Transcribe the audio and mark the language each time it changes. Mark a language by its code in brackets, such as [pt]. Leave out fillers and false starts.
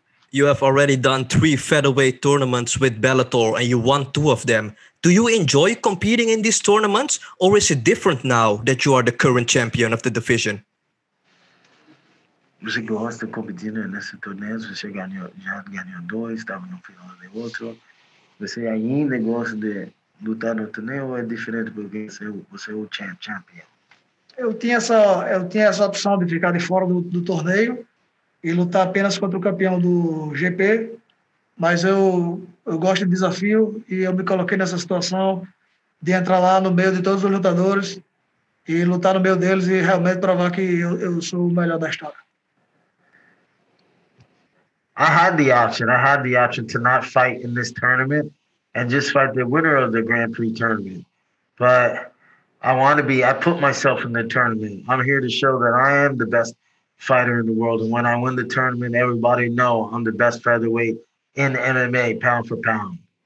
[en] You have already done 3 featherweight tournaments with Bellator, and you won 2 of them. Do you enjoy competing in these tournaments, or is it different now that you are the current champion of the division? [pt] Você gosta competindo nesse torneio? Você já ganhou 2, estava no final de outro. Você ainda gosta de lutar no torneio, ou é diferente porque você é o champion? Eu tinha essa opção de ficar de fora do torneio e lutar apenas contra o campeão do GP, mas eu gosto de desafio e eu me coloquei nessa situação de entrar lá no meio de todos os lutadores e lutar no meio deles e realmente provar que eu sou o melhor da história. [en] I had the option to not fight in this tournament and just fight the winner of the Grand Prix tournament, but I put myself in the tournament. I'm here to show that I am the best fighter in the world, and when I win the tournament, everybody know I'm the best featherweight in MMA, pound for pound.